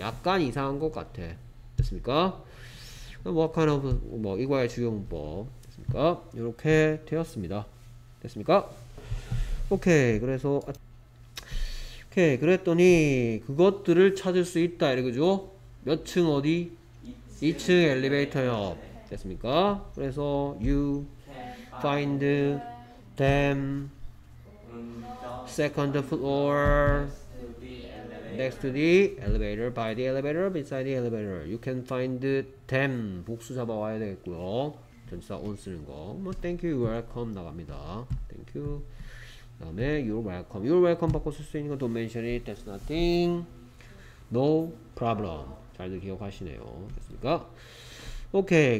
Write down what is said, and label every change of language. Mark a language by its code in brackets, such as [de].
[ko] 약간 이상한 것 같아. 됐습니까? [en] what kind of [ko] 뭐 이과의 주요 문법. 됐습니까? 이렇게 되었습니다. 됐습니까? 오케이. 그래서 오케이. 그랬더니 그것들을 찾을 수 있다. 이러죠? 몇 층 어디? 2층, 2층 엘리베이터 옆. 됐습니까? 그래서 [en] you find them second floor next to the elevator, by the elevator, beside the elevator. You can find them. [ko] 복수 잡아와야 되겠고요. 전치사 on 쓰는 거. 뭐 [en] thank you, welcome [ko] 나갑니다. [en] Thank you. [ko] 그 다음에 [en] you're welcome. You're welcome [ko] 바꿔 쓸 수 있는 거 [en] don't mention it. That's nothing. No problem. [ko] 잘들 기억하시네요. 됐습니까? 오케이.